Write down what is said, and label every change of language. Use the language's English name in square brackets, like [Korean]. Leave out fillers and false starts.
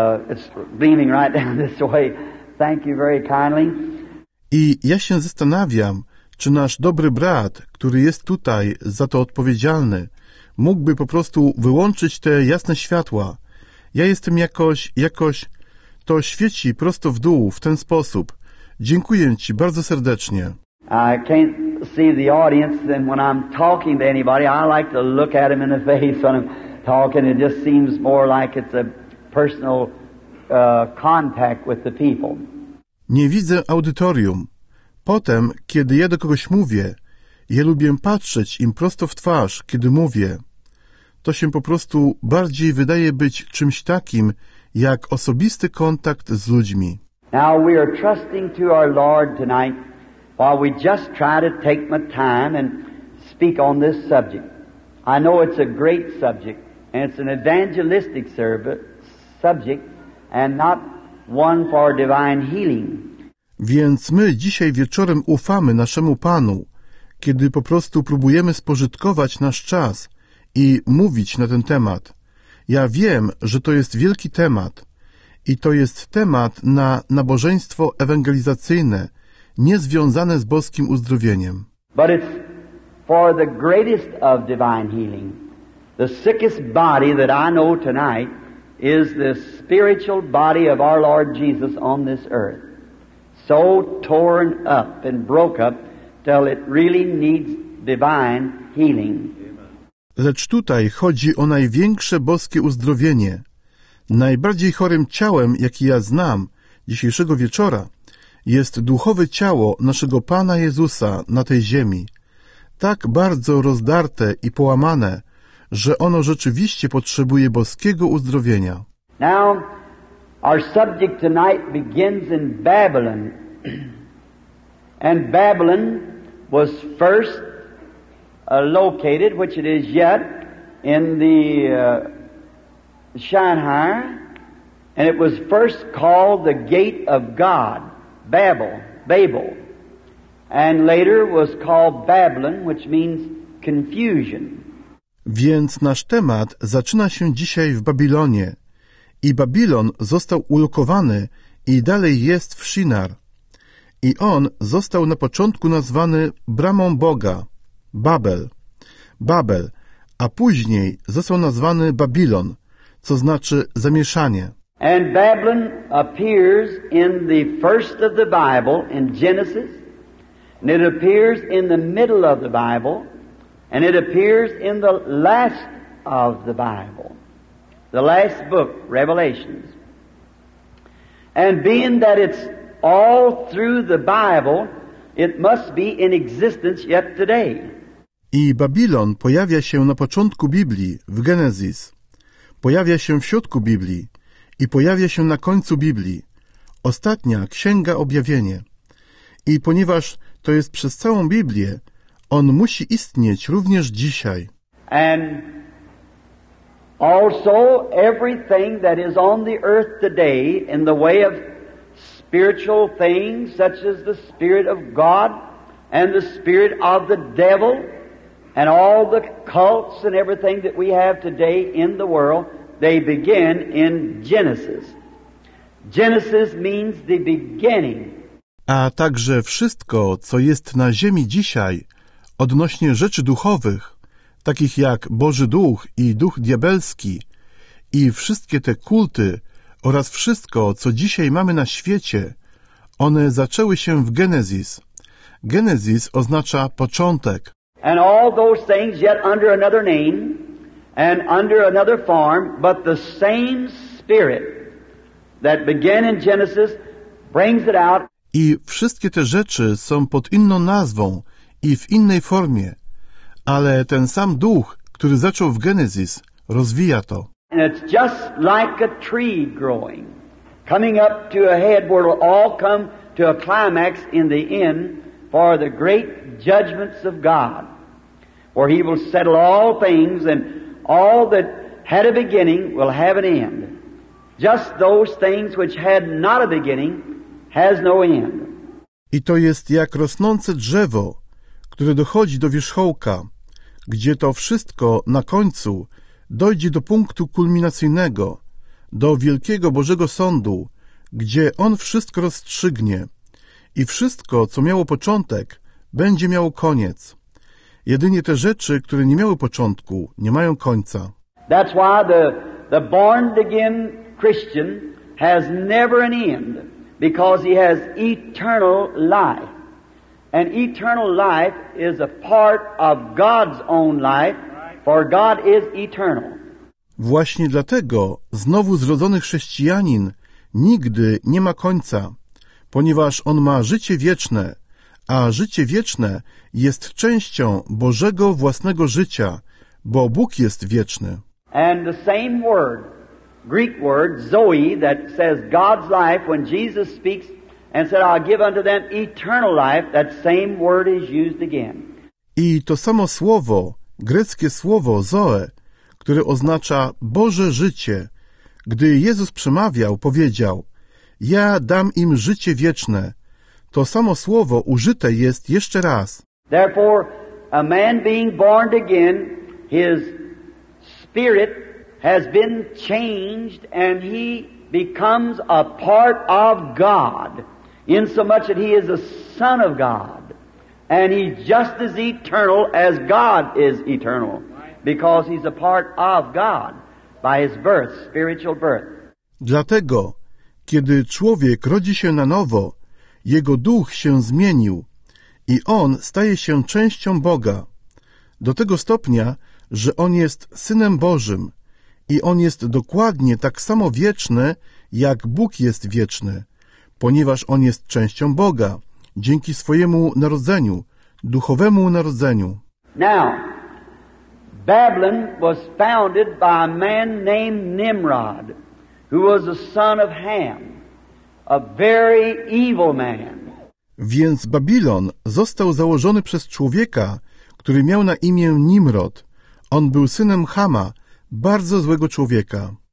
[English] It's beaming right down this way. Thank you very kindly. [Polish] I ja się zastanawiam, czy nasz dobry brat, który jest tutaj za to odpowiedzialny, mógłby po prostu wyłączyć te jasne światła. Ja jestem jakoś... To świeci prosto w dół, w ten sposób. Dziękuję Ci bardzo serdecznie. [English] I can't see the audience, and when I'm talking to anybody, I like to look at them in the face when I'm talking. It just seems more like it's a personal contact with the people. [Polish] Nie widzę audytorium. Potem, kiedy ja do kogoś mówię, ja lubię patrzeć im prosto w twarz, kiedy mówię. To się po prostu bardziej wydaje być czymś takim, jak osobisty kontakt z ludźmi. [English] Now we are trusting to our Lord tonight, while we just try to take my time and speak on this subject. I know it's a great subject, and it's an evangelistic subject, and not one for divine healing. [Polish] Więc my dzisiaj wieczorem ufamy naszemu Panu, kiedy po prostu próbujemy spożytkować nasz czas i mówić na ten temat. Ja wiem, że to jest wielki temat i to jest temat na nabożeństwo ewangelizacyjne, niezwiązane z boskim uzdrowieniem. [English] But it's for the greatest of divine healing. The sickest body that I know tonight is the spiritual body of our Lord Jesus on this earth. So torn up and broke up till it really needs divine healing. [Polish] Lecz tutaj chodzi o największe boskie uzdrowienie. Najbardziej chorym ciałem, jaki ja znam dzisiejszego wieczora, jest duchowe ciało naszego Pana Jezusa na tej ziemi. Tak bardzo rozdarte i połamane, że ono rzeczywiście potrzebuje boskiego uzdrowienia. [English] Now, our subject tonight begins in Babylon. And Babylon was first located, which it is yet, in the Shinar, and it was first called the Gate of God, Babel, and later was called Babylon, which means confusion. [Polish] Więc nasz temat zaczyna się dzisiaj w Babilonie i Babilon został ulokowany i dalej jest w Shinar. I on został na początku nazwany Bramą Boga, Babel. Babel, a później został nazwany Babilon, co znaczy zamieszanie. [English] And Babylon appears in the first of the Bible, in Genesis, and it appears in the middle of the Bible, and it appears in the last of the Bible, the last book, Revelations. And being that it's all through the Bible, it must be in existence yet today. [Polish] I Babilon pojawia się na początku Biblii, w Genesis. Pojawia się w środku Biblii i pojawia się na końcu Biblii. Ostatnia, Księga Objawienie. I ponieważ to jest przez całą Biblię, on musi istnieć również dzisiaj. [English] And also everything that is on the earth today in the way of spiritual things such as the spirit of God and the spirit of the devil and all the cults and everything that we have today in the world, they begin in Genesis. Genesis means the beginning. [Polish] A także wszystko, co jest na ziemi dzisiaj, odnośnie rzeczy duchowych, takich jak Boży Duch i Duch Diabelski, i wszystkie te kulty oraz wszystko, co dzisiaj mamy na świecie, one zaczęły się w Genesis. Genesis oznacza początek. [English] And all those things yet under another name and under another form, but the same spirit that began in Genesis brings it out. [Polish] I wszystkie te rzeczy są pod inną nazwą i w innej formie, ale ten sam duch, który zaczął w Genesis, rozwija to. [English] And it's just like a tree growing, coming up to a head where it'll all come to a climax in the end for the great judgments of God, where he will settle all things and all that had a beginning will have an end. Just those things which had not a beginning has no end. [Polish] I to jest jak rosnące drzewo, które dochodzi do wierzchołka, gdzie to wszystko na końcu dojdzie do punktu kulminacyjnego, do wielkiego Bożego sądu, gdzie on wszystko rozstrzygnie. I wszystko, co miało początek, będzie miało koniec. Jedynie te rzeczy, które nie miały początku, nie mają końca. [English] That's why the born again Christian has never an end, because he has eternal life. And eternal life is a part of God's own life, for God is eternal. [Polish] Właśnie dlatego znowu zrodzony chrześcijanin nigdy nie ma końca, ponieważ on ma życie wieczne, a życie wieczne jest częścią Bożego własnego życia, bo Bóg jest wieczny. [English] And the same word, Greek word, zoe, that says God's life, when Jesus speaks and said, I'll give unto them eternal life, that same word is used again. [Polish] I to samo słowo, greckie słowo zoe, które oznacza Boże życie, gdy Jezus przemawiał, powiedział, ja dam im życie wieczne. To samo słowo użyte jest jeszcze raz. [English] Therefore, a man being born again, his spirit has been changed and he becomes a part of God, in so much that he is a son of God. And he's just as eternal as God is eternal, because he's a part of God by his birth, spiritual birth. [Polish] Dlatego, kiedy człowiek rodzi się na nowo, jego duch się zmienił i on staje się częścią Boga, do tego stopnia, że on jest Synem Bożym i on jest dokładnie tak samo wieczny, jak Bóg jest wieczny, ponieważ on jest częścią Boga dzięki swojemu narodzeniu, duchowemu narodzeniu. [English] Now, Babylon was founded by a man named Nimrod, who was a son of Ham, a very evil man. [Polish] Więc Babilon został założony przez człowieka, który miał na imię Nimrod. On był synem Hama, bardzo złego człowieka.